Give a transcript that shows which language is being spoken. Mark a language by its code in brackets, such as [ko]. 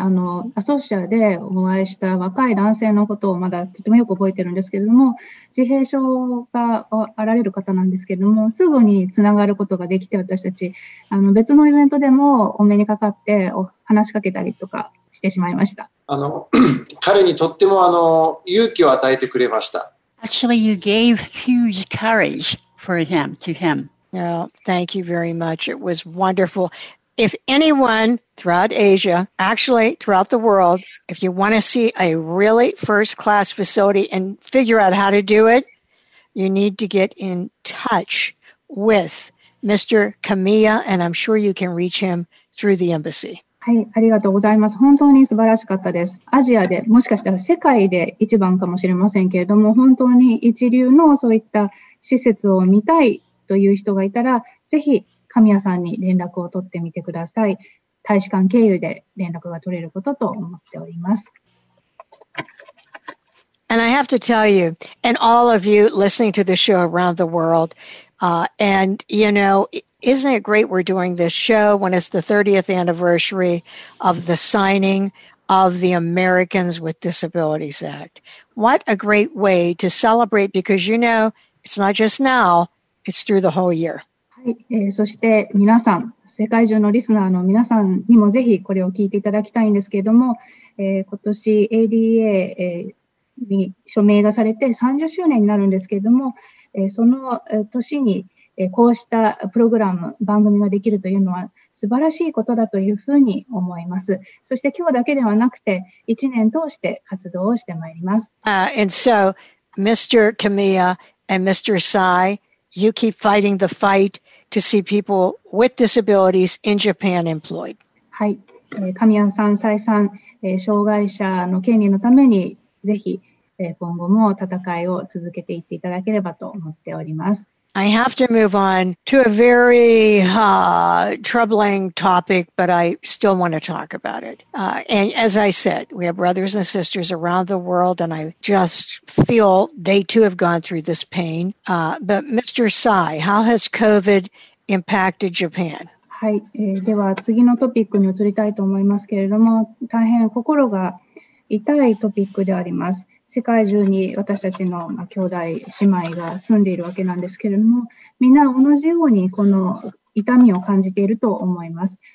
[ja] アソシアでお会いした若い男性のことをまだとてもよく覚えてるんですけれども、自閉症があられる方なんですけれども、すぐにつながることができて、私たち、別のイベントでもお目にかかって話しかけたりとかしてしまいました。彼にとっても勇気を与えてくれました。 [en] Actually, you gave huge courage for him, to him. Well, thank you very much. It was wonderful. If anyone throughout Asia, actually throughout the world, if you want to see a really first-class facility and figure out how to do it, you need to get in touch with Mr. Kamiya, and I'm sure you can reach him through the embassy. [ja] はい、ありがとうございます。本当に素晴らしかったです。アジアで、もしかしたら世界で一番かもしれませんけれども、本当に一流のそういった施設を見たいという人がいたら、ぜひ、神谷さんに連絡を取ってみてください。大使館経由で連絡が取れることと思っております。 [en] And I have to tell you, and all of you listening to the show around the world, and you know, isn't it great we're doing this show when it's the 30th anniversary of the signing of the Americans with Disabilities Act? What a great way to celebrate, because you know, it's not just now, it's through the whole year. [ja] そして皆さん、世界中のリスナーの皆さんにもぜひこれを聞いていただきたいんですけれども、今年 ADA に署名がされて30周年になるんですけれども、その年にこうしたプログラム、番組ができるというのは素晴らしいことだというふうに思います。そして今日だけではなくて、1年通して活動をしてまいります。 [en] And so, Mr. Kamiya and Mr. Sai, you keep fighting the fight. To see people with disabilities in Japan employed. [ja] はい、神谷さん、蔡さん、障害者の権利のためにぜひ今後も戦いを続けていっていただければと思っております。 [en] I have to move on to a very troubling topic, but I still want to talk about it. And as I said, we have brothers and sisters around the world, and I just feel they too have gone through this pain. But Mr. Sai, how has COVID impacted Japan? [ja] はい、では次のトピックに移りたいと思いますけれども、大変心が痛いトピックであります。世界中に私たちの兄弟姉妹が住んでいるわけなんですけれども、みんな同じようにこの痛みを感じていると思います。